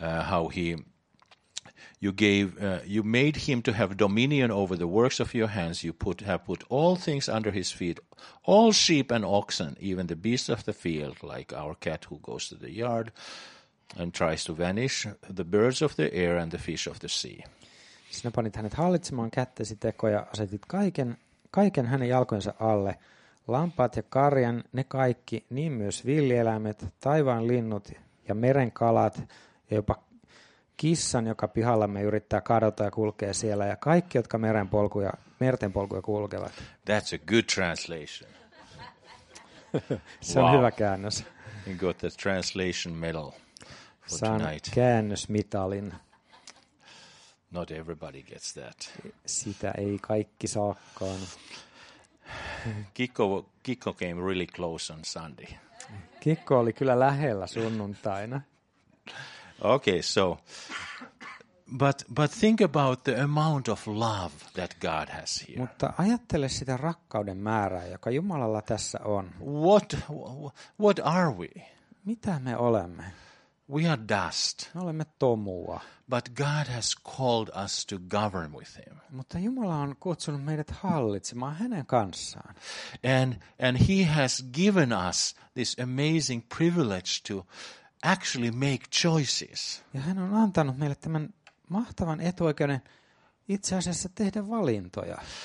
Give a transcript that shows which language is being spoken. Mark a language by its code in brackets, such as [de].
[en] How he you made him to have dominion over the works of your hands. You have put all things under his feet, all sheep and oxen, even the beasts of the field, like our cat who goes to the yard, and tries to vanish the birds of the air and the fish of the sea. [fi] Sinä panit hänet hallitsemaan kättesi tekoja, asetit kaiken hänen jalkojensa alle. Lampaat ja karjan, ne kaikki, niin myös villieläimet, taivaan linnut ja meren kalat ja jopa kissan, joka pihallamme yrittää kadota ja kulkee siellä ja kaikki, jotka merten polkuja kulkevat. [en] That's a good translation. [fi] Se on hyvä käännös. [en] You got the translation medal for [fi] Saan [en] tonight. [fi] Käännösmitalin. [en] Not everybody gets that. [fi] Sitä ei kaikki saakaan. [en] Kikko came really close on Sunday. [fi] Kikko oli kyllä lähellä sunnuntaina. [en] Okay, so but think about the amount of love that God has here. [fi] Mutta ajattele sitä rakkauden määrää, joka Jumalalla tässä on. [en] What are we? [fi] Mitä me olemme? [en] We are dust. [fi] Me olemme tomua. [en] But God has called us to govern with him. [fi] Mutta Jumala on kutsunut meidät hallitsemaan hänen kanssaan. [en] And he has given us this amazing privilege to actually make choices. [fi] Ja hän on antanut meille tämän mahtavan etuoikeuden itse asiassa tehdä valintoja.